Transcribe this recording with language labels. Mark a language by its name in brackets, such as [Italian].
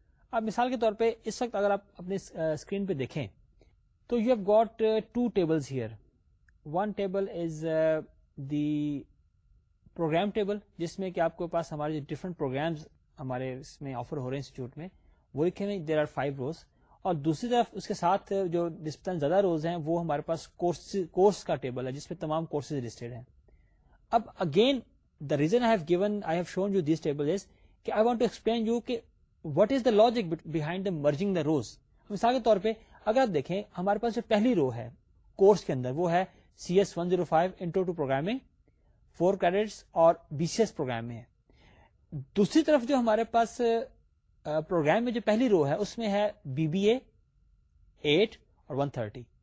[Urdu] اب مثال کے طور پہ اس وقت اگر آپ اپنے اسکرین پہ دیکھیں تو [English] you have got two tables here, one table is the programme table [Urdu] جس میں کہ آپ کے پاس ہمارے جو ڈفرنٹ پروگرامز ہمارے اس میں آفر ہو رہے ہیں انسٹیٹیوٹ میں وہ لکھے ہوئے, [English] there are five rows, [Urdu] اور دوسری طرف اس کے ساتھ جو نسبتا زیادہ روز ہیں وہ ہمارے پاس کورس کا ٹیبل ہے جس میں تمام کورسز لسٹڈ ہیں. [English] اب again the reason I have shown you this table is کہ I want to explain you کہ what is the logic behind the merging the rows. [Urdu] مثال کے طور پہ اگر آپ دیکھیں ہمارے پاس جو پہلی رو ہے کورس کے اندر وہ ہے CS 105 intro to programming 4 credits اور BCS پروگرامنگ. دوسری طرف جو ہمارے پاس پروگرام میں جو پہلی رو ہے اس میں ہے BBA 8 اور 130.